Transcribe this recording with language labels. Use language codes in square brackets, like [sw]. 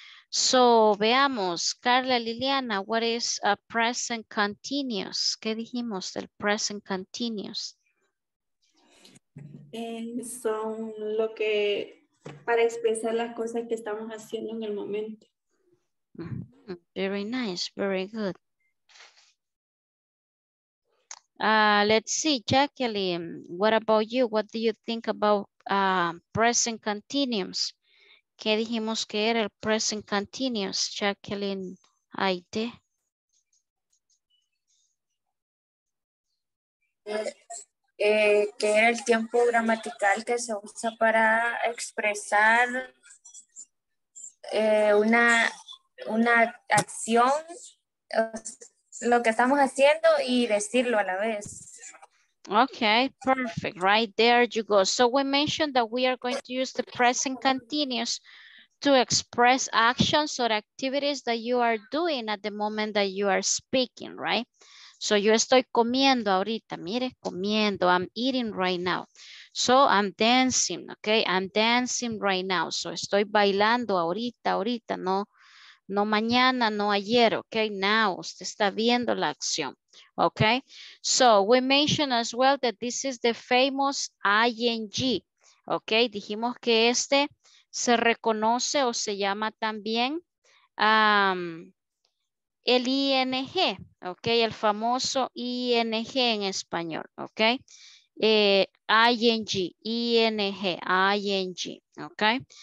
[en] So, veamos, Carla Liliana, what is a present continuous? [es] ¿Qué dijimos del present continuous? Son lo que, para expresar las cosas que estamos haciendo en el momento. [en] Very nice, very good. Let's see, Jacqueline, what about you? What do you think about present continuous? [es] ¿Qué dijimos que era el present continuous, Jacqueline Aide? Que era el tiempo gramatical que se usa para expresar una acción, lo que estamos haciendo y decirlo a la vez. [en] Okay, perfect. Right there you go. So we mentioned that we are going to use the present continuous to express actions or activities that you are doing at the moment that you are speaking, right? [es] So yo estoy comiendo ahorita. Mire, comiendo. [en] I'm eating right now. So I'm dancing, okay? I'm dancing right now. [es] So estoy bailando ahorita, ¿no? No mañana, no ayer, okay? Now, usted está viendo la acción, okay? [en] So, we mentioned as well that this is the famous ING, okay? [es] Dijimos que este se reconoce o se llama también el ING, okay? El famoso ING en español, okay? ING, ING, ING, okay?